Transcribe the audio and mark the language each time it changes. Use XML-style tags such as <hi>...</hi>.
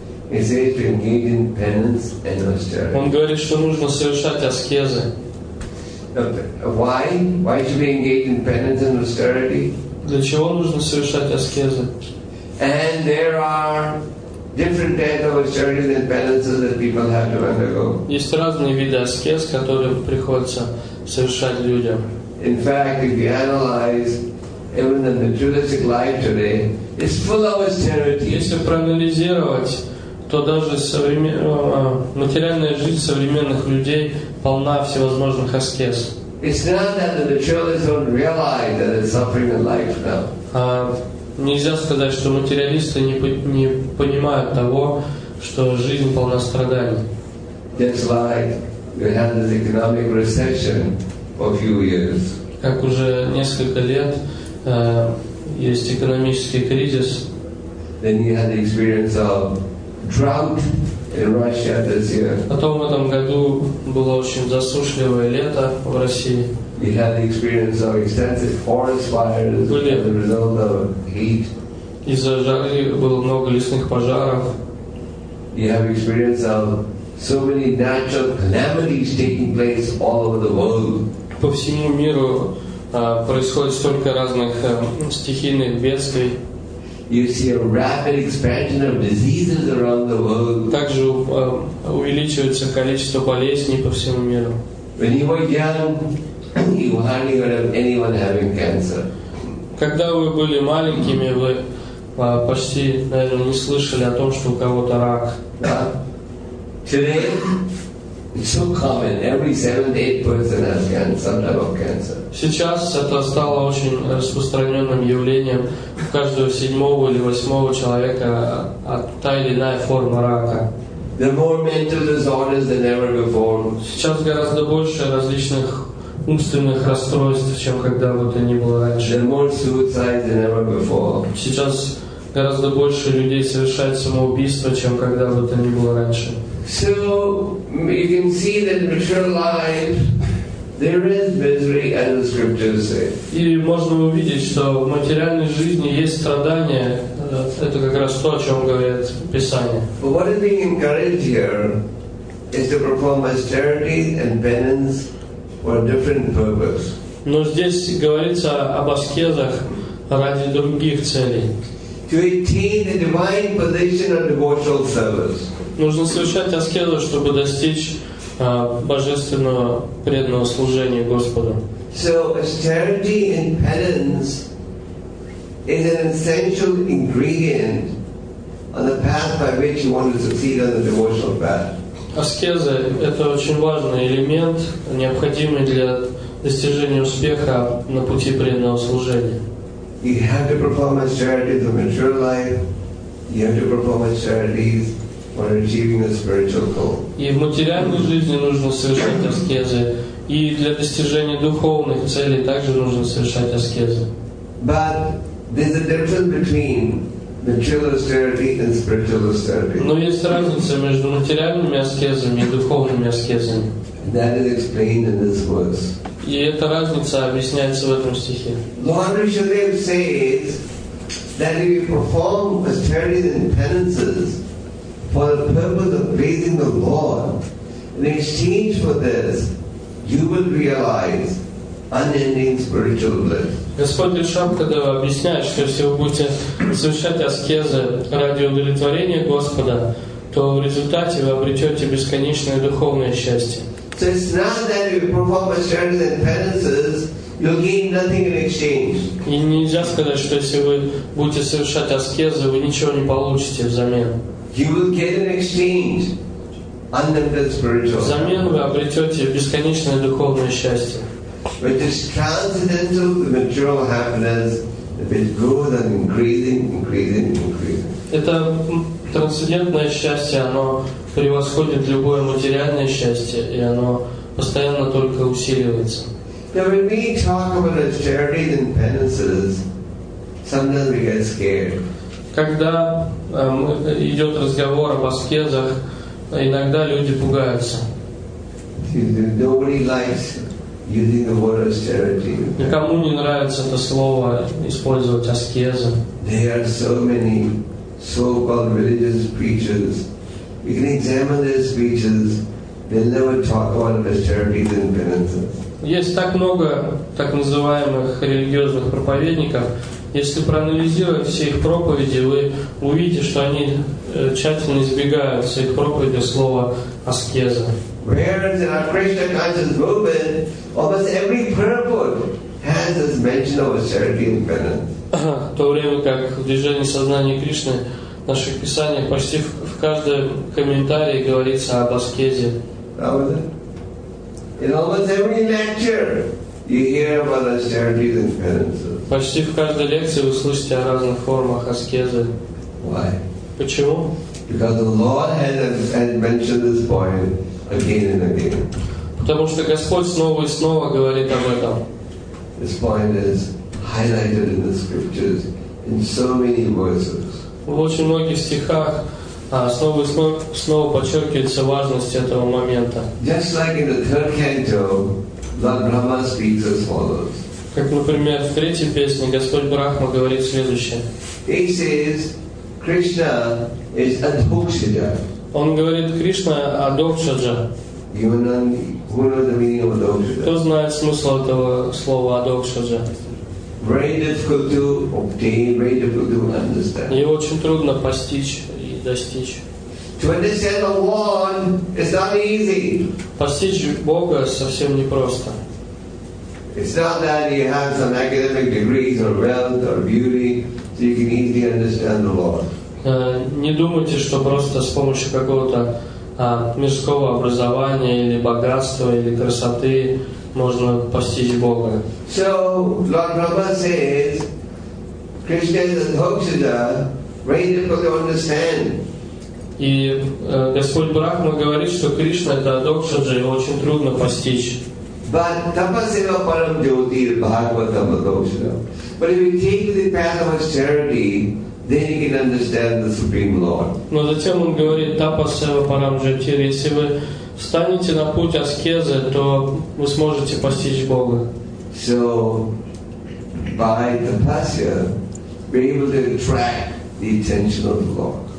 <en>He says to engage in penance and austerity.</en> <ru>Он говорит, что нужно совершать аскезы.</ru> <en>Why? Why should we engage in penance and austerity?</en> <ru>Для чего нужно совершать аскезы?</ru> <en>And there are different kinds of austerities and penances that people have to undergo.</en> <ru>Есть разные виды аскез, которые приходится совершать людям.</ru> <en>In fact, if you analyze even the materialistic life today, it's full of austerity.</en> <ru>Если проанализировать, то даже материальная жизнь современных людей полна всевозможных аскез.</ru> <en>It's not that the materialists don't realize that there's suffering in life now.</en> <ru>Нельзя сказать, что материалисты не понимают того, что жизнь полна страданий.</ru> <en>Just like we had this economic recession for a few years.</en> <ru>Как уже несколько лет есть экономический кризис.</ru> <en>Then you had the experience of drought in Russia this year.</en> <ru>Потом в этом году было очень засушливое лето в России.</ru> <en>We had the experience of extensive forest fires as a result of heat.</en> <ru>Из-за жары было много лесных пожаров.</ru> <en>We have experience of so many natural calamities taking place all over the world.</en> <ru>По всему миру происходит столько разных стихийных бедствий.</ru> <en>You see a rapid expansion of diseases around the world.</en> <ru>Также увеличивается количество болезней по всему миру.</ru> <en>When you were young, you hardly heard of anyone having cancer.</en> <ru>Когда вы были маленькими, вы почти, наверное, не слышали о том, что у кого-то рак.</ru> <en>Today, it's so common. Every 7th to 8th person has cancer, some type of cancer.</en> <ru>Сейчас это стало очень распространенным явлением. У каждого 7-го или 8-го человека та или иная форма рака.</ru> <en>There are more mental disorders than ever before.</en> <ru>Сейчас гораздо больше различных умственных расстройств, чем когда бы то ни было раньше.</ru> <en>There are more suicides than ever before.</en> <ru>Сейчас гораздо больше людей совершает самоубийство, чем когда бы то ни было раньше.</ru> <en>So you can see that in your life there is misery, as the scriptures say.</en> <ru>И можно увидеть, что в материальной жизни есть страдания. Это как раз то, о чем говорит Писание.</ru> <en>But what is being encouraged here is to perform austerity and penance for a different purpose.</en> <ru>Но здесь говорится об аскезах ради других целей.</ru> <en>To attain the divine position of devotional service.</en> <ru>Нужно совершать аскезу, чтобы достичь божественного преданного служения Господу.</ru> <en>So austerity and penance is an essential ingredient on the path by which you want to succeed on the devotional path.</en> <ru>Аскеза — это очень важный элемент, необходимый для достижения успеха на пути преданного служения.</ru> <en>You have to perform austerity in the material life. You have to perform austerities for achieving a spiritual goal.</en> <ru>И в материальной жизни нужно совершать аскезы, и для достижения духовных целей также нужно совершать аскезы.</ru> <en>But there's a difference between material austerity and spiritual austerity.</en> <ru>Но есть разница между материальными аскезами и духовными аскезами.</ru> <en>That is explained in this verse.</en> <ru>И эта разница объясняется в этом стихе.</ru> <en>Lord Rishadev says that if you perform austerities and penances for the purpose of praising the Lord, in exchange for this, you will realize unending spiritual bliss.</en> <ru>Господь Ришабхадева объясняет, что если вы будете совершать аскезы ради удовлетворения Господа, то в результате вы обретете бесконечное духовное счастье.</ru> <en>So it's not that if you perform austerities and penances, you'll gain nothing in exchange.</en> <ru>И нельзя сказать, что если вы будете совершать аскезы, вы ничего не получите взамен.</ru> <en>You will get an exchange on the spiritual.</en> <ru>Взамен вы обретете бесконечное духовное счастье.</ru> <en>Which is transcendental to material happiness, if it goes on increasing, increasing, increasing.</en> <ru>Это трансцендентное счастье, оно превосходит любое материальное счастье, и оно постоянно только усиливается.</ru> <en>Now, when we talk about austerities and penances, sometimes we get scared.</en> <ru>Когда идет разговор об аскезах, иногда люди пугаются.</ru> <en>Nobody likes using the word austerity.</en> <ru>Никому не нравится это слово использовать аскезы.</ru> <en>There are so many so-called religious preachers. You can examine their speeches. They'll never talk about austerities and penances.</en> <ru>Есть так много так называемых религиозных проповедников. Если проанализировать все их проповеди, вы увидите, что они тщательно избегают своих проповедей слова аскеза.</ru> <en>Whereas in our Krishna conscious movement, almost every purport has this mention of austerity and penance.</en> <ru>В то время как в движении сознания Кришны в наших писаниях почти в каждом комментарии говорится об аскезе.</ru> <en>In almost every lecture you hear about austerities and penances.</en> <ru>Почти в каждой лекции вы слышите о разных формах аскезы.</ru> <en>Why?</en> <ru>Почему?</ru> <en>Because the Lord has mentioned this point again and again.</en> <ru>Потому что Господь снова и снова говорит об этом.</ru> <en>This point is highlighted in the scriptures in so many verses.</en> <ru>В очень многих стихах снова и снова подчеркивается важность этого момента.</ru> <en>Just like in the 3rd canto, Lord Brahma speaks as follows.</en> <ru>Как, например, в третьей песне Господь Брахма говорит следующее.</ru> <en>He says, Krishna is adhokshaja.</en> <ru>Он говорит, Кришна адхокшаджа.</ru> <en>Who knows the meaning of adhokshaja?</en> <ru>Кто знает смысл этого слова адхокшаджа?</ru> <en>Very difficult to obtain, very difficult to understand.</en> <ru>Его очень трудно постичь и достичь.</ru> <en>To understand the Lord is not easy.</en> <ru>Постичь Бога совсем непросто.</ru> <en>It's not that you have some academic degrees or wealth or beauty so you can easily understand the Lord.</en> <ru>Не думайте, что просто с помощью какого-то мирского образования или богатства или красоты можно постичь Бога.</ru> <en>So Lord Brahma says, Krishna is a dhokshita, very difficult to understand.</en> <ru>И Господь Брахма говорит, что Кришна это докшаджа, его очень трудно постичь.</ru> <sa>But tapasya param jyoti bhagavatam dokshita.</sa> <en>But if you take the path of austerity, then you can understand the Supreme Lord.</en> <ru>Но затем он говорит,</ru> <sa>тапасева парам джоти,</sa> <ru>если вы встанете на путь аскезы, то вы сможете постичь Бога.</ru> <en>So by tapasya, we're able to attract the attention of the Lord.</en>